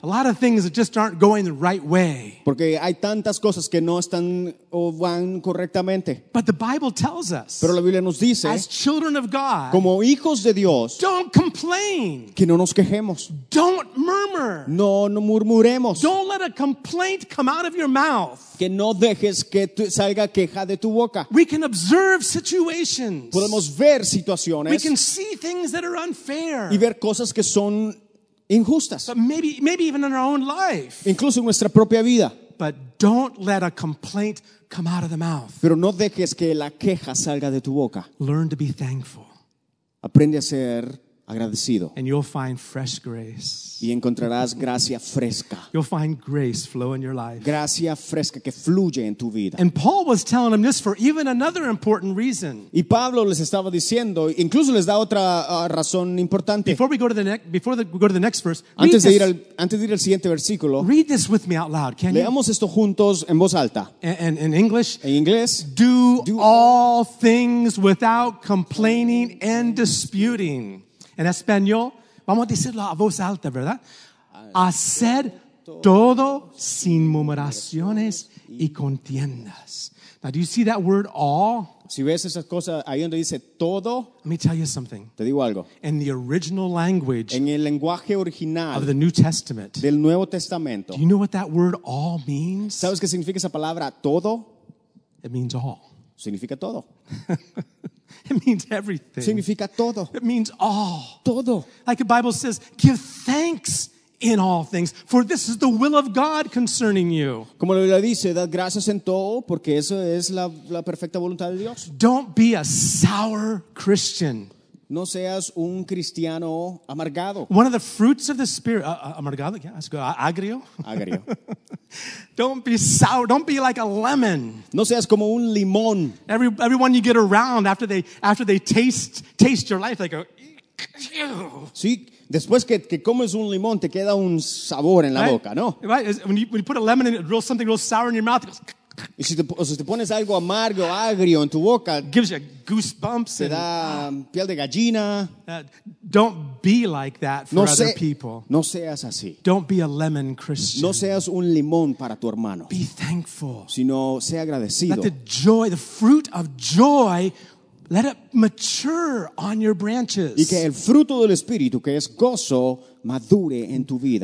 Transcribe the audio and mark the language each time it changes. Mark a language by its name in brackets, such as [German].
[English] A lot of things that just aren't going the right way. [Spanish] Porque hay tantas cosas que no están o van correctamente. [English] But the Bible tells us. [Spanish] Pero la Biblia nos dice. [English] As children of God. [Spanish] Como hijos de Dios. [English] Don't complain. [Spanish] Que no nos quejemos. [English] Don't murmur. [Spanish] No murmuremos. [English] Don't let a complaint come out of your mouth. [Spanish] Que no dejes que salga queja de tu boca. [English] We can observe situations. [Spanish] Podemos ver situaciones. [English] We can see things that are unfair. [Spanish] Y ver cosas que son injustas. [English] But maybe even in our own life. [Spanish] Incluso en nuestra propia vida. [English] But don't let a complaint come out of the mouth. [Spanish] Pero no dejes que la queja salga de tu boca. [English] Learn to be thankful. [Spanish] Aprende a ser agradecido. [English] And you'll find fresh grace. [Spanish] Y encontrarás gracia fresca. [English] You'll find grace flow in your life. [Spanish] Gracia fresca que fluye en tu vida. [English] And Paul was telling them this for even another important reason. [Spanish] Y Pablo les estaba diciendo, incluso les da otra razón importante. [English] Before we go to the next verse. [Spanish] Antes de ir al siguiente versículo. [English] Read this with me out loud. Can [Spanish] leamos [English] you? [Spanish] Leamos esto juntos en voz alta. [English] And in English. [Spanish] En inglés. [English] Do all things without complaining and disputing. [Spanish] En español, vamos a decirlo a voz alta, ¿verdad? Hacer todo sin murmuraciones y contiendas. [English] Now, do you see that word all? [Spanish] Si ves esas cosas, ahí donde dice todo. [English] Let me tell you something. [Spanish] Te digo algo. [English] In the original language. [Spanish] En el lenguaje original. [English] Of the New Testament. [Spanish] Del Nuevo Testamento. [English] Do you know what that word all means? [Spanish] ¿Sabes qué significa esa palabra todo? [English] It means all. [Spanish] Significa todo. [English] It means everything. [Spanish] Significa todo. [English] It means all. [Spanish] Todo. [English] Like the Bible says, give thanks in all things, for this is the will of God concerning you. [Spanish] Como la Biblia dice, dad gracias en todo, porque eso es la perfecta voluntad de Dios. [English] Don't be a sour Christian. [Spanish] No seas un cristiano amargado. [English] One of the fruits of the spirit, amargado, yeah, that's good, agrio. [Spanish] Agrio. [English] Don't be sour. Don't be like a lemon. [Spanish] No seas como un limón. [English] Everyone you get around after they taste your life, they go. [Spanish] Sí, después que comes un limón te queda un sabor en la boca, ¿no? [English] Right. When you put a lemon in it, something real sour in your mouth. It goes, [Spanish] y si te pones algo amargo, agrio en tu boca, [English] gives you goosebumps. [Spanish] Te da piel de gallina. [English] Don't be like that for other people. [Spanish] No seas así. [English] Don't be a lemon Christian. [Spanish] No seas un limón para tu hermano. [English] Be thankful. [Spanish] Sino sea agradecido. [English] Let the joy, the fruit of joy, let it mature on your branches. [Spanish] Y que el fruto del espíritu, que es gozo, madure en tu vida.